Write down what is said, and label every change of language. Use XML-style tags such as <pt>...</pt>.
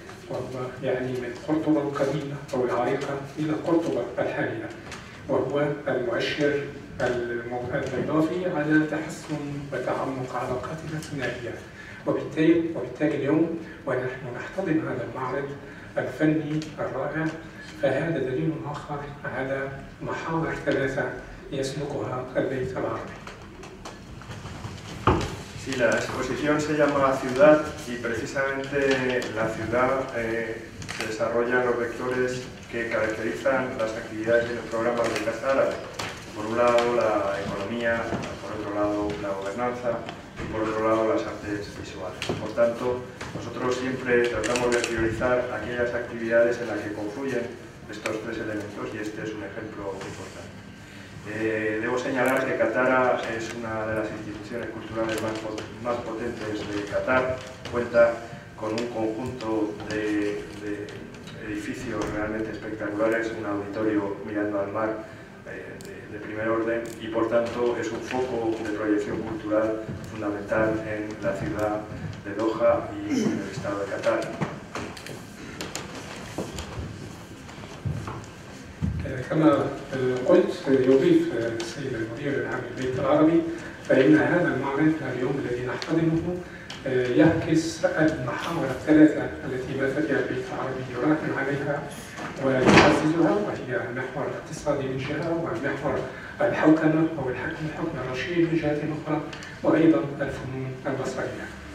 <ar>وهو يعني من قرطبة القديمة أو العريقة إلى قرطبة الحالية، وهو المؤشر الإضافي على تحسن وتعمق علاقاتنا الثنائية. وبالتالي اليوم ونحن نحتضن هذا المعرض الفني الرائع، فهذا دليل آخر على محاور ثلاثة يسلكها البيت العربي.</ar> <es>Sí, la exposición se llama Ciudad y precisamente la ciudad se desarrolla en los vectores que caracterizan las actividades y los programas de Casa Árabe. Por un lado la economía, por otro lado la gobernanza y por otro lado las artes visuales. Por tanto, nosotros siempre tratamos de priorizar aquellas actividades en las que confluyen estos tres elementos, y este es un ejemplo importante. Debo señalar que Qatar es una de las instituciones culturales más potentes de Qatar. Cuenta con un conjunto de edificios realmente espectaculares, un auditorio mirando al mar de primer orden, y por tanto es un foco de proyección cultural fundamental en la ciudad de Doha y en el estado de Qatar.</es> <ar>كما قلت يضيف السيد المدير العام للبيت العربي فإن هذا المعرض اليوم الذي نحتضنه يعكس المحاور الثلاثة التي بات فيها البيت العربي يراهن عليها ويعززها وهي المحور الاقتصادي من جهة والمحور الحوكمة أو الحكم الرشيد من جهة أخرى وأيضا الفنون البصرية.</ar>